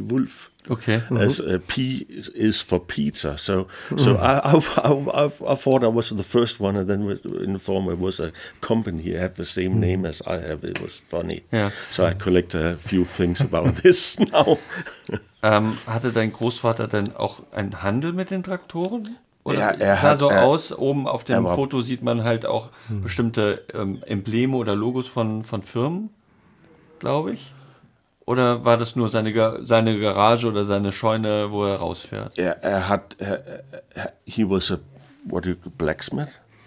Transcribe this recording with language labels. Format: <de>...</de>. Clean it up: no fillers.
<en>Wolf. Okay. Mm-hmm. As P is for pizza. So so I thought I was the first one, and then in the former it was a company that had the same name as I have. It was funny. Yeah. So I collect a few things about this now.</en> <de>Hatte dein Großvater denn auch einen Handel mit den Traktoren? Oder aus, oben auf dem Foto sieht man halt auch bestimmte Embleme oder Logos von Firmen, glaube ich. Oder war das nur seine Garage oder seine Scheune, wo er rausfährt? Ja, er hat,</de> <en>he was a, what do you call, blacksmith?</en>